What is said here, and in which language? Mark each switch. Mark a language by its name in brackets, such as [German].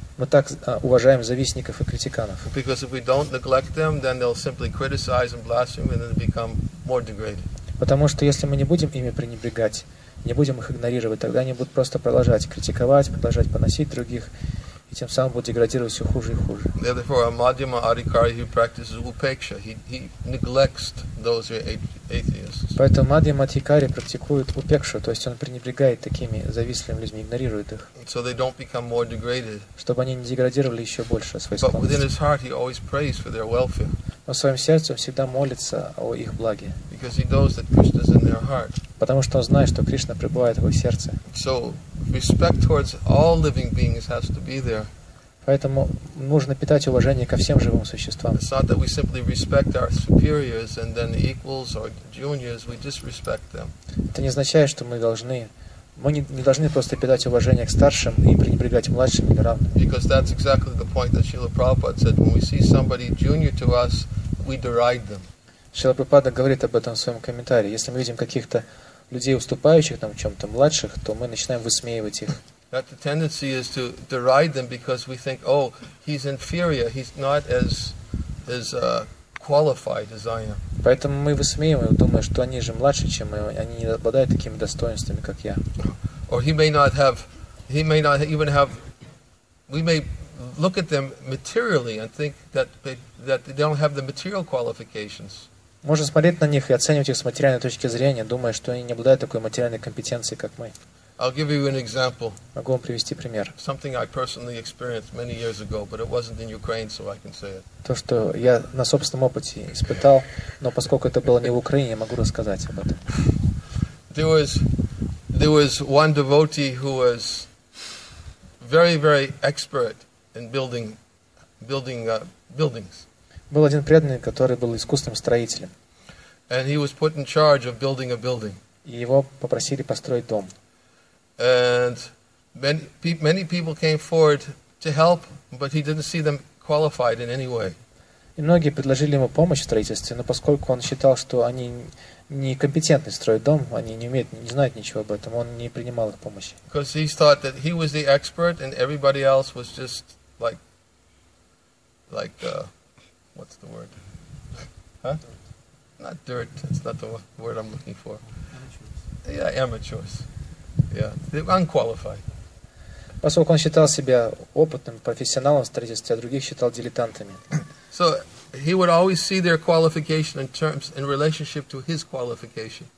[Russian] Мы так уважаем завистников и критиканов. [English] Because if we don't neglect them, then they'll simply criticize and blaspheme and then become more degraded. [Russian] Потому что если мы не будем ими пренебрегать, не будем их игнорировать, тогда они будут просто продолжать критиковать, продолжать поносить других, и тем самым будут деградировать все хуже и хуже. [English] Therefore, a madhyama adhikari who practices upeksha, he neglects those who are atheists. [Russian] Поэтому мадхьяма адхикари практикует упекшу, то есть он пренебрегает такими завистливыми людьми, игнорирует их. [English] So they don't become more degraded. [Russian] Чтобы они не деградировали еще больше своей склонности. [English] But within his heart, he always prays for their welfare. [Russian] Но в своем сердце он всегда молится о их благе. [English] Because he knows that Krishna's in their heart. [Russian] Потому что он знает, что Кришна пребывает в его сердце. [English] So respect towards all living beings has to be there. [Russian] Поэтому нужно питать уважение ко всем живым существам. [English] It's not that we simply respect our superiors and then the equals or juniors, we just respect them. [Russian] Это не означает, что мы не должны просто питать уважение к старшим и пренебрегать младшим или равным. [English] Because that's exactly the point that Srila Prabhupada said, when we see somebody junior to us, we deride them. [Russian] Шрила Прабхупада говорит об этом в своем комментарии. Если мы видим каких-то людей, уступающих нам в чем-то, младших, то мы начинаем высмеивать их. [English] That the tendency is to deride them because we think, oh, he's inferior, he's not as qualified as I am. [Russian] Поэтому мы высмеиваем, думая, что они же младше, чем мы, они не обладают такими достоинствами, как я. [English] Or he may not even have. We may look at them materially and think that they don't have the material qualifications. [Russian] Можно смотреть на них и оценивать их с материальной точки зрения, думая, что они не обладают такой материальной компетенцией, как мы. [English] I'll give you an example. [Russian] Могу вам привести пример. [English] Something I personally experienced many years ago, but it wasn't in Ukraine, so I can say it. [Russian] То, что я на собственном опыте испытал, но поскольку это было не в Украине, могу рассказать об этом. [English] There was one devotee who was very, very expert in buildings. [Russian] Был один преданный, который был искусным строителем. [English] And he was put in charge of building a building. [Russian] И его попросили построить дом. [English] And many people came forward to help, but he didn't see them qualified in any way. [Russian] И многие предложили ему помощь в строительстве, но поскольку он считал, что они некомпетентны строить дом, они не знают ничего об этом, он не принимал их помощи. [English] Because he thought that he was the expert and everybody else was just like, what's the word? Huh? Not dirt, that's not the word I'm looking for. Amateurs. Yeah, amateurs. Yeah, they're unqualified. [Russian] Поскольку он считал себя опытным профессионалом в строительстве, а других считал дилетантами. [English] So he would always see their qualification in terms in relationship to his qualification.